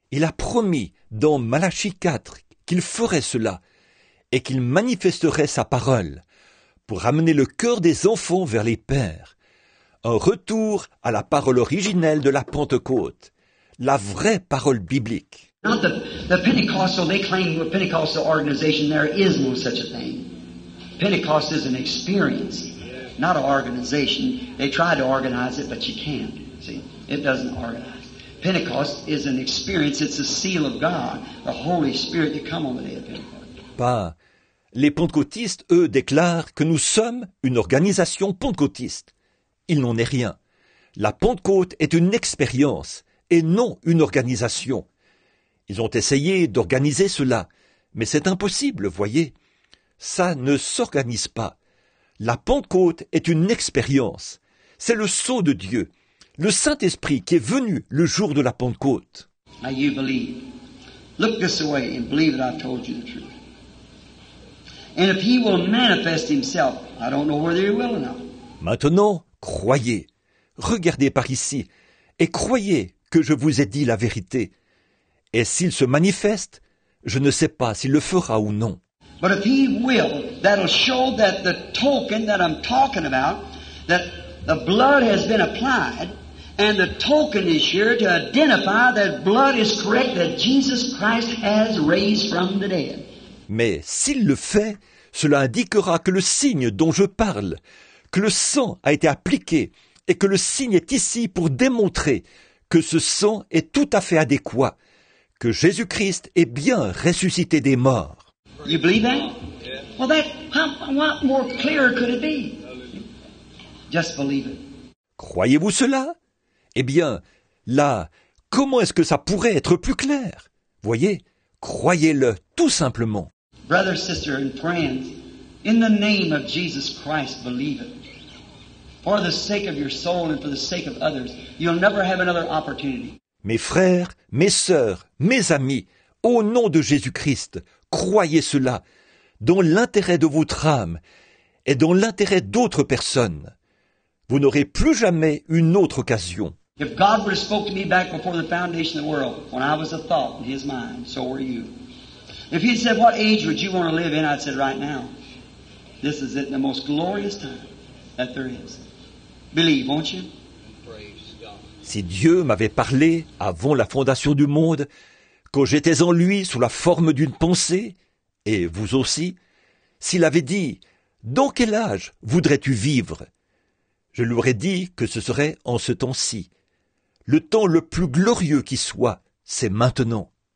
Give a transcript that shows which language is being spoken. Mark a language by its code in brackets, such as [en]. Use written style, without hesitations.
[fr] Il a promis dans Malachie 4 qu'il ferait cela et qu'il manifesterait sa parole pour amener le cœur des enfants vers les pères. Un retour à la parole originelle de la Pentecôte, la vraie parole biblique. [en] Not the Pentecostal, they claim a Pentecostal organization, there is no such a thing. Pentecost is an experience. Not an organization. They try to organize it, but you can't. See, it doesn't organize. Pentecost is an experience. It's a seal of God, the Holy Spirit that come on the day of Pentecost. [fr] Pas. Les pentecôtistes, eux, déclarent que nous sommes une organisation pentecôtiste. Il n'en est rien. La Pentecôte est une expérience et non une organisation. Ils ont essayé d'organiser cela, mais c'est impossible, voyez. Ça ne s'organise pas. La Pentecôte est une expérience. C'est le sceau de Dieu, le Saint-Esprit qui est venu le jour de la Pentecôte. [en] Now you believe. Look this way and believe that I told you the truth. And if he will manifest himself, I don't know whether he will or not. [fr] Maintenant, croyez. Regardez par ici et croyez que je vous ai dit la vérité. Et s'il se manifeste, je ne sais pas s'il le fera ou non. [en] But if he will, that'll show that the token that I'm talking about, that the blood has been applied, and the token is here to identify that blood is correct, that Jesus Christ has raised from the dead. [fr] Mais s'il le fait, cela indiquera que le signe dont je parle, que le sang a été appliqué, et que le signe est ici pour démontrer que ce sang est tout à fait adéquat, que Jésus-Christ est bien ressuscité des morts. [en] You believe that? Well, that, what more clear could it be? Just believe it. [fr] Croyez-vous cela? Eh bien, là, comment est-ce que ça pourrait être plus clair? Voyez, croyez-le tout simplement. [en] Brothers, sisters, and friends, in the name of Jesus Christ, believe it. For the sake of your soul and for the sake of others, you'll never have another opportunity. [fr] Mes frères, mes sœurs, mes amis, au nom de Jésus-Christ, croyez cela dans l'intérêt de votre âme et dans l'intérêt d'autres personnes. Vous n'aurez plus jamais une autre occasion. [en] If God would have spoke to me back before the foundation of the world, when I was a thought in his mind, so were you. If he said, what age would you want to live in? I'd said, right now. This is it, the most glorious time that there is. Believe, won't you? [fr] Si Dieu m'avait parlé avant la fondation du monde, quand j'étais en lui sous la forme d'une pensée, et vous aussi, s'il avait dit « Dans quel âge voudrais-tu vivre ?» Je lui aurais dit que ce serait en ce temps-ci. Le temps le plus glorieux qui soit, c'est maintenant.